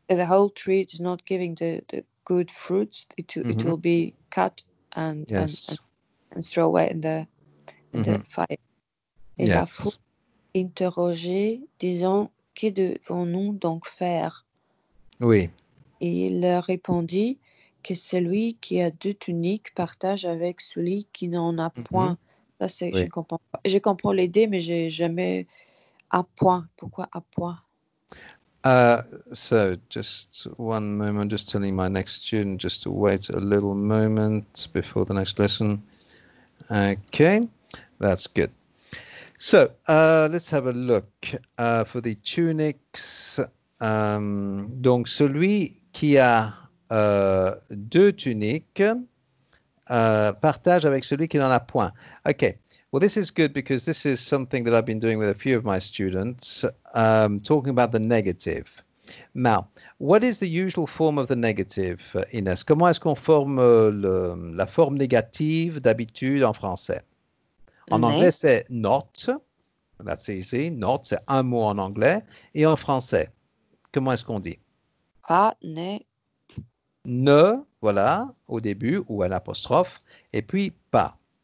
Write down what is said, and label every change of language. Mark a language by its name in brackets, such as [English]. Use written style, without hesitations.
[English] the whole tree is not giving the good fruits, it will be cut Yes. and throw away in the fire. [French] Et la foule [English] Yes. [French] interrogée, disant, que devons-nous donc faire? Oui. Et il leur répondit que celui qui a deux tuniques partage avec celui qui n'en a point. Ça, c'est, je Oui. ne comprends pas. Je comprends l'idée, mais j'ai jamais à point. Pourquoi à point? [English] So, just one moment, just telling my next student just to wait a little moment before the next lesson. Okay, that's good. So, let's have a look for the tunics. [French] Donc, celui qui a deux tuniques partage avec celui qui n'en a point. [English] Okay. Well, this is good because this is something that I've been doing with a few of my students, talking about the negative. Now, what is the usual form of the negative, Inès? [French] Comment est-ce qu'on forme la forme négative d'habitude en français? En anglais, Né. [English] c'est not. That's easy. [French] Not, c'est un mot en anglais. Et en français, comment est-ce qu'on dit? Pas né. Ne, voilà, au début, ou à l'apostrophe, et puis pas.